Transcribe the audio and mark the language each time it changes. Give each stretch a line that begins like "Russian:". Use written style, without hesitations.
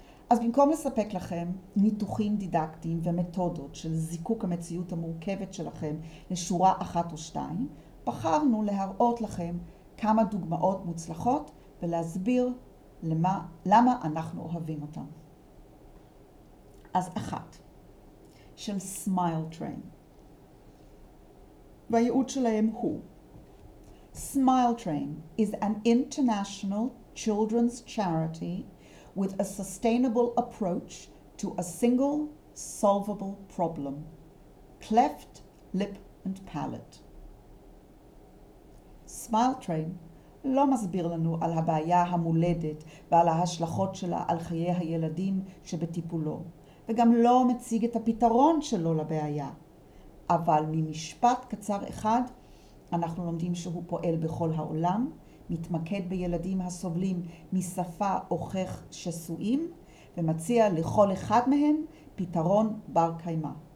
Hebrew: אז במקום לספק לכם ניתוחים דידקטיים ומתודות של זיקוק המציאות המורכבת שלכם לשורה אחת או שתיים, בחרנו להראות לכם כמה דוגמאות מוצלחות ולהסביר למה אנחנו אוהבים אותם. אז אחת, של Smile Train. והייעוד שלהם הוא:
English: Smile Train is an international children's charity with a sustainable approach to a single solvable problem, cleft lip and palate.
Hebrew: Smile Train לא מסביר לנו על הבעיה המולדת ועל ההשלכות שלה על חיי הילדים שבטיפולו, וגם לא מציג את הפתרון שלו לבעיה. אבל ממשפט קצר אחד אנחנו לומדים שהוא פועל בכל העולם, מתמקד בילדים הסובלים משפה אוכך שסועים, ומציע לכל אחד מהם פתרון בר קיימה.